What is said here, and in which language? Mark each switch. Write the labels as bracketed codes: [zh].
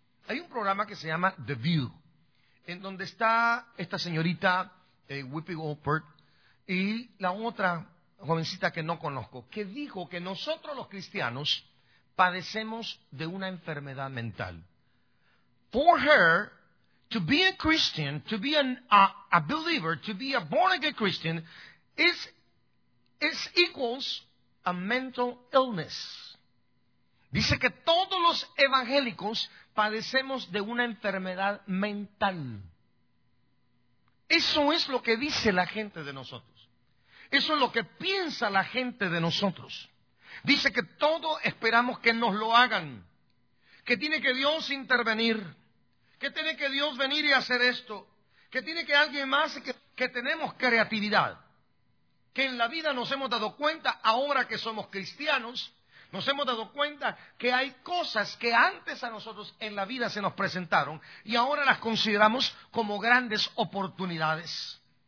[es] Hay un programa que se llama The View, en donde está esta señorita, Whoopi Goldberg, y la otra jovencita que no conozco, que dijo que nosotros los cristianos padecemos de una enfermedad mental. [en] For her, to be a Christian, to be a believer, to be a born-again Christian, is equals a mental illness. [es] Dice que todos los evangélicos padecemos de una enfermedad mental. Eso es lo que dice la gente de nosotros. Eso es lo que piensa la gente de nosotros. Dice que todos esperamos que nos lo hagan, que tiene que Dios intervenir, que tiene que Dios venir y hacer esto, que tiene que alguien más, que tenemos creatividad, que en la vida nos hemos dado cuenta, ahora que somos cristianos, nos hemos dado cuenta que hay cosas que antes a nosotros en la vida se nos presentaron y ahora las consideramos como grandes oportunidades.